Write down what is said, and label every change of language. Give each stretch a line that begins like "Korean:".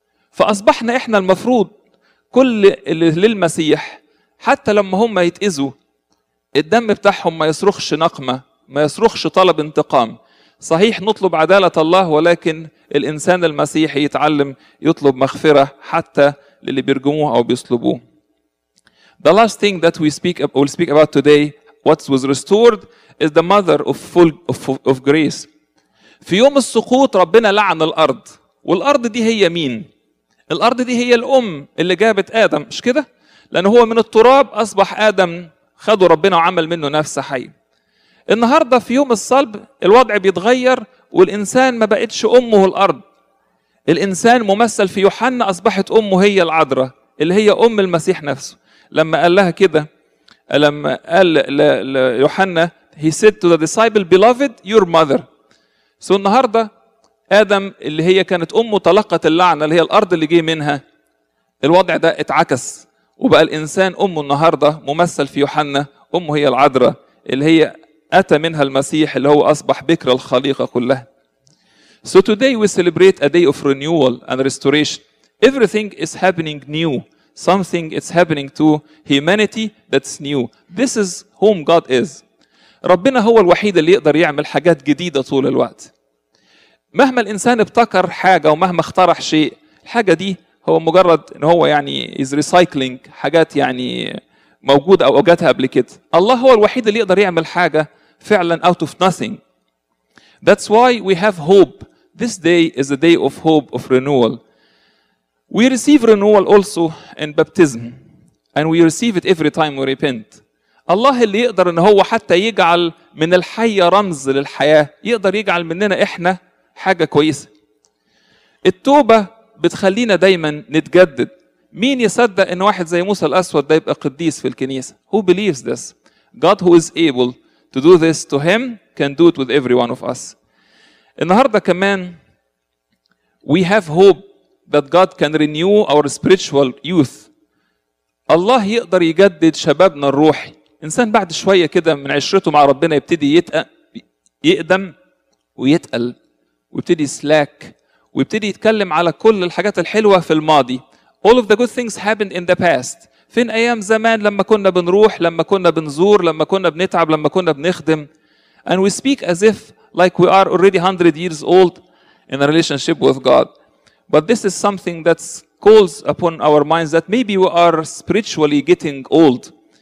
Arabic: فأصبحنا إحنا المفروض كل اللي للمسيح حتى لما هم يتأذوا الدم بتاعهم ما يصرخش نقمة، ما يصرخش طلب انتقام. صحيح نطلب عدالة الله، ولكن الإنسان المسيحي يتعلم يطلب مغفرة حتى للي بيرجموه أو بيصلبوه.
English: The last thing that we'll speak about today, what was restored, is the mother of grace.
Arabic: في يوم السقوط ربنا لعن الأرض، والأرض دي هي مين؟ الأرض دي هي الأم اللي جابت آدم، مش كده؟ لأنه هو من التراب أصبح آدم، خده ربنا وعمل منه نفس حي. النهاردة في يوم الصلب الوضع بيتغير والإنسان ما بقتش أمه الأرض. الإنسان ممثل في يوحنا أصبحت أمه هي العذراء اللي هي أم المسيح نفسه. لما قال لها كده، لما قال ليوحنا
English: he said to the disciple beloved your mother.
Arabic: So النهاردة آدم اللي هي كانت أمه تلقت اللعنة اللي هي الأرض اللي جي منها. الوضع ده اتعكس وبقى الإنسان أمه النهاردة ممثل في يوحنا أمه هي العذراء اللي هي أتى منها المسيح اللي هو أصبح بكر الخليقة كلها.
English: So today we celebrate a day of renewal and restoration. Everything is happening new. Something is happening to humanity that's new. This is whom God is.
Arabic: ربنا هو الوحيد اللي يقدر يعمل حاجات جديدة طول الوقت. مهما الإنسان ابتكر حاجة ومهما اخترع شيء، الحاجة دي هو مجرد إن هو يعني
English: is recycling
Arabic: حاجات يعني موجود أو أجتها قبل كده. الله هو الوحيد اللي يقدر يعمل حاجة فعلا
English: out of nothing. That's why we have hope. This day is a day of hope, of renewal. We receive renewal also in baptism. And we receive it every time we repent.
Arabic: الله اللي يقدر إن هو حتى يجعل من الحية رمز للحياة. يقدر يجعل مننا إحنا حاجة كويسة. التوبة بتخلينا دايما نتجدد. مين يصدق ان واحد زي موسى الاسود ده يبقى قديس في الكنيسه؟
English: Who believes this? God who is able to do this to him can do it with every one of us.
Arabic: النهارده كمان
English: we have hope that God can renew our spiritual youth.
Arabic: الله يقدر يجدد شبابنا الروحي. انسان بعد شويه كده من عشرته مع ربنا يبتدي يقدم ويتقل ويبتدي سلاك ويبتدي يتكلم على كل الحاجات الحلوه في الماضي.
English: All of the good things happened in the past.
Arabic: فين أيام زمان لما كنا بنروح، لما كنا بنزور، لما كنا بنتعب، لما كنا بنخدم.
English: And we speak as if like we are already 100 years old in a relationship with God. But this is something that calls upon our minds that maybe we are spiritually getting old.